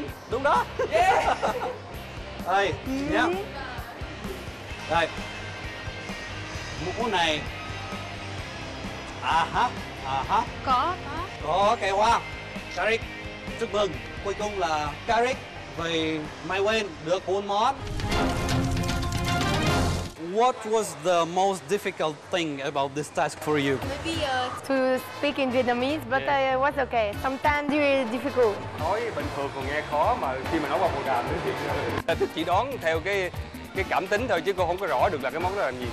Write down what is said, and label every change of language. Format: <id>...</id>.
<vi>Đúng đó. Đây, nhá. Đây. Mũ này. À ha. Có cái hoa. Karik, chúc mừng. Cuối cùng là Karik về My Wayne được 4 món.</vi> <en>What was the most difficult thing about this task for you? Maybe to speak in Vietnamese, but yeah. I was okay. Sometimes it is difficult.</en> <vi>Nói bình thường còn nghe khó mà khi mà nói qua một đàm nữa thì chỉ đoán theo cái cảm tính thôi chứ cô không có rõ được là cái món đó là gì.</vi>